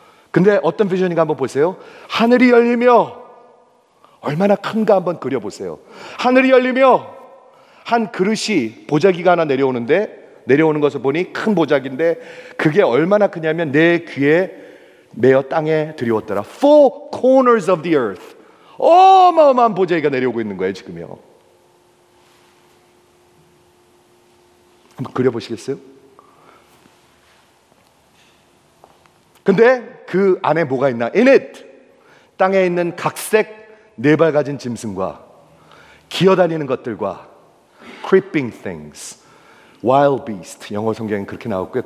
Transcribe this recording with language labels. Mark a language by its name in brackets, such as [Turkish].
[Korean] 근데 어떤 비전인가 한번 보세요. 하늘이 열리며 얼마나 큰가 한번 그려보세요. 하늘이 열리며 한 그릇이 보자기가 하나 내려오는데 내려오는 것을 보니 큰 보자기인데 그게 얼마나 크냐면 내 귀에 메어 땅에 드리웠더라. [English] Four corners of the earth. [Korean] 어마어마한 보자기가 내려오고 있는 거예요 지금요. 한번 그려보시겠어요? 근데 그 안에 뭐가 있나? [English] In it! [Korean] 땅에 있는 각색 네 발 가진 짐승과 기어다니는 것들과 [English] creeping things, wild beast, [Korean] 영어 성경에 그렇게 나왔고요.